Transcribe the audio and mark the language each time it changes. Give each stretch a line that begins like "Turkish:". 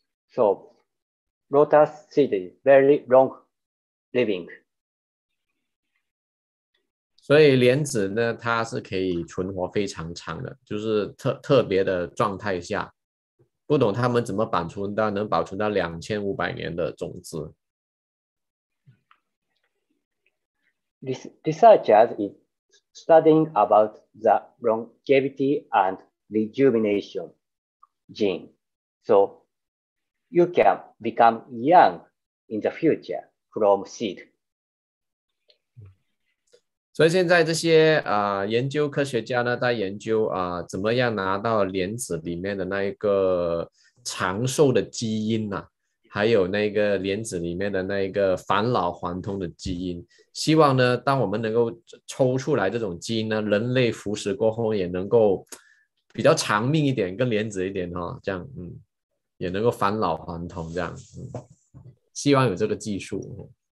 English: So,Lotus seed is very long living.
Chinese: 所以莲子呢，它是可以存活非常长的，就是特别的状态下，不懂他们怎么保存到2500年的种子。
English: Researchers is studying about the longevity and rejuvenation gene, so. You can become young in the future from seed.
Chinese: 所以现在这些、研究科学家呢在研究、怎么样拿到莲子里面的那一个长寿的基因、还有那个莲子里面的那个返老还童的基因，希望呢当我们能够抽出来这种基因呢，人类服食过后也能够比较长命一点，跟莲子一点、这样、也能够返老还童这样、希望有这个技术。